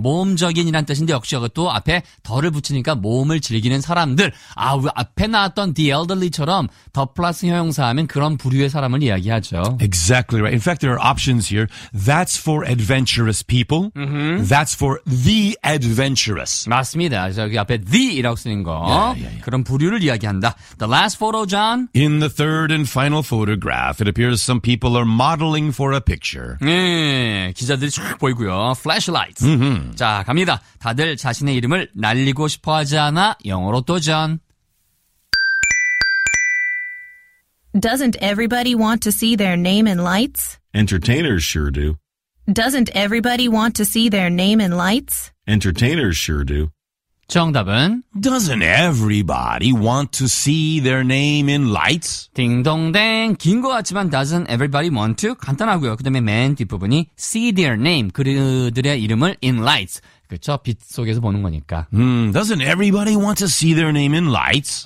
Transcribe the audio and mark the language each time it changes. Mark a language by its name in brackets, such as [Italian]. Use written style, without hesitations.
[Korean] 모험적인이란 뜻인데, 역시 그것도 앞에 덜을 붙이니까 모험을 즐기는 사람들. 아, 앞에 나왔던 [English] the elderly [Korean] 처럼 더 플러스 형용사 하면 그런 부류의 사람을 이야기하죠. [English] Exactly right. In fact, there are options here. That's for adventurous people. Mm-hmm. That's for the adventurous. [Korean] 맞습니다. 저기 앞에 [English] the [Korean] 이라고 쓰는 거. [English] Yeah. [Korean] 그런 부류를 이야기한다. [English] The last photo, John. In the third and final photograph, it appears some people are modeling for a picture. [Korean] 네, 기자들이 쫙 보이고요. [English] Flashlights. Mm-hmm. [Korean] 자, 갑니다. 다들 자신의 이름을 날리고 싶어 하지 않아? 영어로 도전. [English] Doesn't everybody want to see their name in lights? Entertainers sure do. Doesn't everybody want to see their name in lights? Entertainers sure do. [Korean] 정답은? [English] Doesn't everybody want to see their name in lights? [Korean] 딩동댕. 긴 것 같지만 [English] doesn't everybody want to? [Korean] 간단하고요. 그 다음에 맨 뒷부분이 [English] see their name. [Korean] 그들의 이름을 [English] in lights. [Korean] 그렇죠? 빛 속에서 보는 거니까. [English] Doesn't everybody want to see their name in lights?